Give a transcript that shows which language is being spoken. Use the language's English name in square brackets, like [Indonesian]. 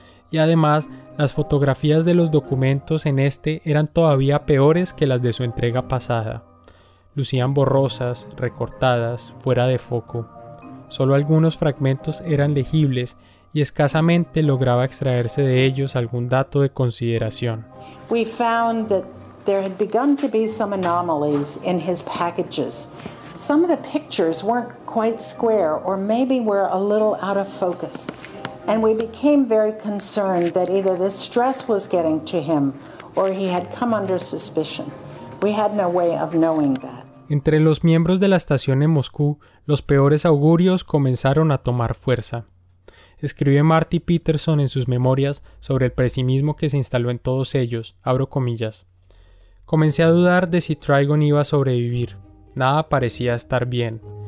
[Spanish] Y además, las fotografías de los documentos en este eran todavía peores que las de su entrega pasada. Lucían borrosas, recortadas, fuera de foco. Solo algunos fragmentos eran legibles y escasamente lograba extraerse de ellos algún dato de consideración. [English] We found that there had begun to be some anomalies in his packages. Some of the pictures weren't quite square or maybe were a little out of focus. And we became very concerned that either the stress was getting to him or he had come under suspicion. We had no way of knowing that. [Spanish] Entre los miembros de la estación en Moscú, los peores augurios comenzaron a tomar fuerza. Escribe Marty Peterson en sus memorias sobre el pesimismo que se instaló en todos ellos, abro comillas. Comencé a dudar de si Trigon iba a sobrevivir. Nada parecía estar bien.